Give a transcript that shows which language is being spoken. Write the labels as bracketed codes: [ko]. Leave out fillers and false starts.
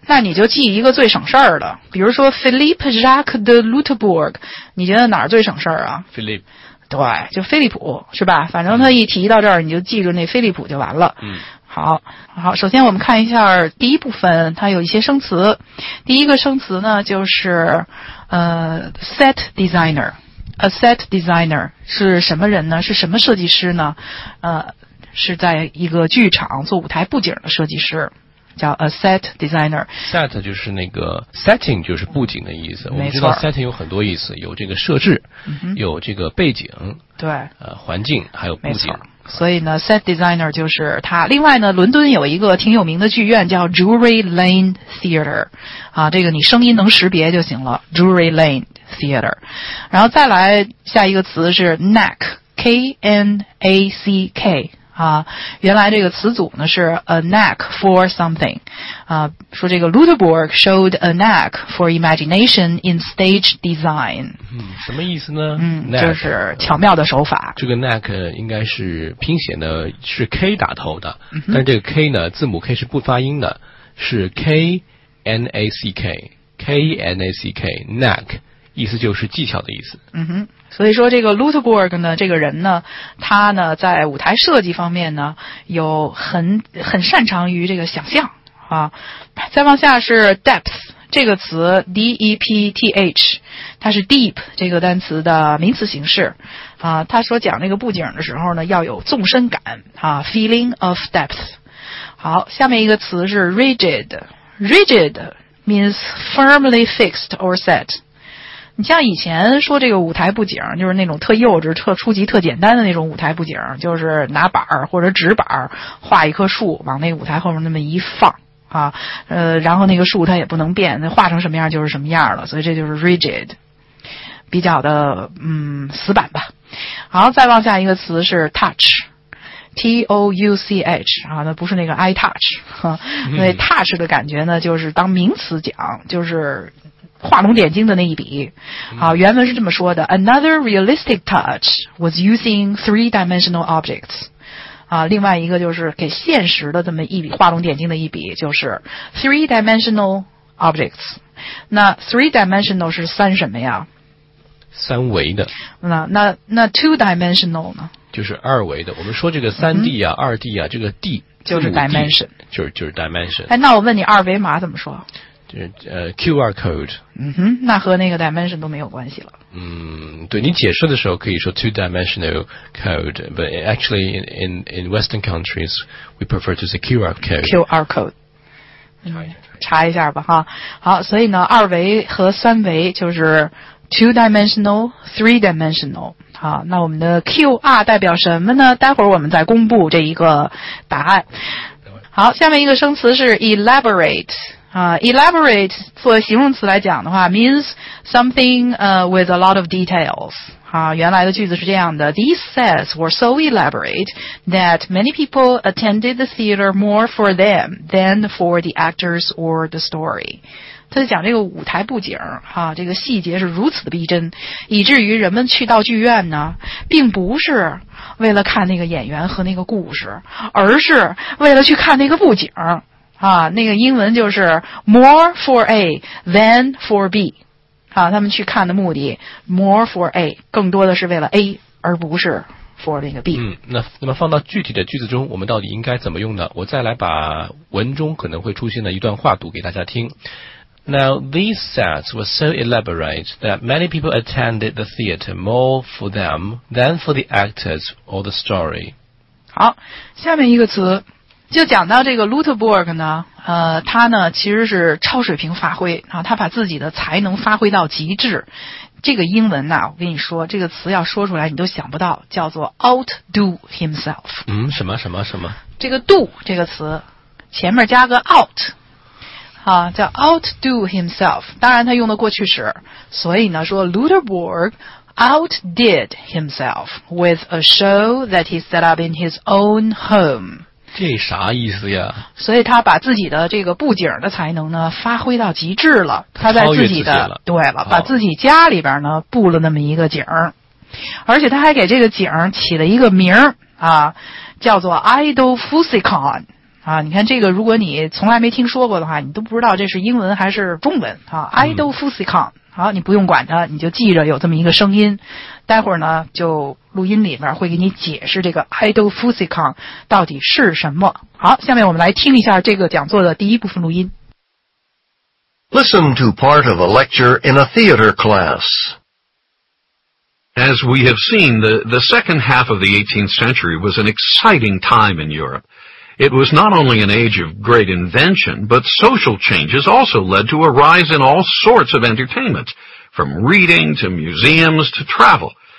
[zh] 那你就记一个最省事儿的，比如说 Philippe Jacques de Lutebourg， 你觉得哪儿最省事儿啊？ Philippe，对，就菲利普是吧，反正他一提到这儿你就记住那菲利普就完了。嗯，好好，首先我们看一下第一部分，它有一些生词。第一个生词呢就是set designer。 A set designer 是什么人呢？是什么设计师呢？是在一个剧场做舞台布景的设计师，叫 a set designer。 Set 就是那个 setting， 就是布景的意思。我们知道 setting 有很多意思，有这个设置，有这个背景，对，环境，还有布景。所以呢 ，set designer 就是他。另外呢，伦敦有一个挺有名的剧院叫 Drury Lane Theatre， 啊，这个你声音能识别就行了 ，Drury Lane。 Theater， 然后再来下一个词是 knack， K N A C K 啊，原来这个词组呢是 a knack for something，啊，说这个 Lutebourg showed a knack for imagination in stage design。嗯，什么意思呢？嗯， knack， 就是巧妙的手法。这个 knack 应该是拼写呢是 K 打头的，嗯，但是这个 K 呢字母 K 是不发音的，是 K N A C K， K N A C K knack。意思就是技巧的意思。嗯哼，所以说这个 Lutebourg 呢，这个人呢，他呢在舞台设计方面呢，有很擅长于这个想象啊。再往下是 depth 这个词 ，D E P T H， 它是 deep 这个单词的名词形式啊。他说讲这个布景的时候呢，要有纵深感啊 ， feeling of depth。 [en] 好，下面一个词是 rigid，rigid means firmly fixed or set。 [zh] 你像以前说这个舞台布景，就是那种特幼稚、特初级、特简单的那种舞台布景，就是拿板或者纸板画一棵树，往那个舞台后面那么一放啊，然后那个树它也不能变，画成什么样就是什么样了，所以这就是 rigid， 比较的死板吧。好，再往下一个词是 touch。touch 啊，那不是那个 eye touch， 因为 touch 的感觉呢，就是当名词讲，就是画龙点睛的那一笔。 [en] 好，原文是这么说的 ：Another realistic touch was using three-dimensional objects。 [zh] 啊，另外一个就是给现实的这么一笔画龙点睛的一笔，就是 three-dimensional objects。那 three-dimensional 是三什么呀？三维的。那 two-dimensional 呢？就是二维的，我们说这个三 D 啊，二 D 啊，这个 D 就是 dimension，就是 dimension。哎，那我问你，二维码怎么说？ [en] QR code。 [zh] 嗯哼，那和那个 dimension 都没有关系了。 [en] 嗯，对，你解释的时候可以说 two-dimensional code, but actually in Western countries, we prefer to say QR code. [zh] QR code. 查一下吧哈。好，所以呢二维和三维就是 two-dimensional, three-dimensional。好，那我们的 QR 代表什么呢？待会儿我们再公布这一个答案。好，下面一个生词是 elaborate。 [en] Elaborate 做形容词来讲的话 means something, with a lot of details. 原来的句子是这样的 These sets were so elaborate that many people attended the theater more for them than for the actors or the story. [zh] 他就讲这个舞台布景这个细节是如此的逼真以至于人们去到剧院呢并不是为了看那个演员和那个故事而是为了去看那个布景那个英文就是 more for A than for B。他们去看的目的 more for A 更多的是为了 A 而不是 for 那个 B、那么放到具体的句子中我们到底应该怎么用呢我再来把文中可能会出现的一段话读给大家听 Now these sets were so elaborate that many people attended the theater more for them than for the actors or the story 好下面一个词就讲到这个 Lutherborg 呢他呢其实是超水平发挥他把自己的才能发挥到极致这个英文呢我跟你说这个词要说出来你都想不到叫做 outdo himself 什么什么什么 [en] 这个 do 这个词前面加个 out 叫 outdo himself 当然他用的过去时所以呢说 Lutherborg outdid himself with a show that he set up in his own home [zh] 这啥意思呀所以他把自己的这个布景的才能呢发挥到极致了他在自己的自了对了把自己家里边呢布了那么一个景而且他还给这个景起了一个名叫做 Idol Fusicon 你看这个如果你从来没听说过的话你都不知道这是英文还是中文Idol Fusicon 好你不用管它你就记着有这么一个声音待会儿呢就录音里面会给你解释这个 Idol Fusicon 到底是什么。好，下面我们来听一下这个讲座的第一部分录音。 [en] Listen to part of a lecture in a theater class. As we have seen, the second half of the 18th century was an exciting time in Europe. It was not only an age of great invention, but social changes also led to a rise in all sorts of entertainment, from reading to museums to travel.